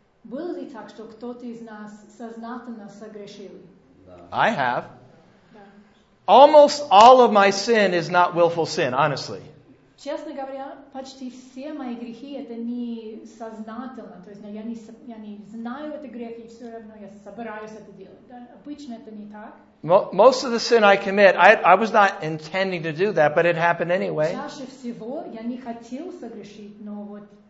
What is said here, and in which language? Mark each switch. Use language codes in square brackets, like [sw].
[ru] Было ли так, что кто-то из нас сознательно согрешил? [en] I have. Almost all of my sin is not willful sin, honestly. [ru] Честно говоря, почти все мои грехи это не сознательно. То есть я не знаю это грех, и все равно я собираюсь это делать. Да? Обычно это не так. [en] Most of the sin I commit, I was not intending to do that, but it happened anyway. [ru] Чаще всего я не хотел согрешить, но вот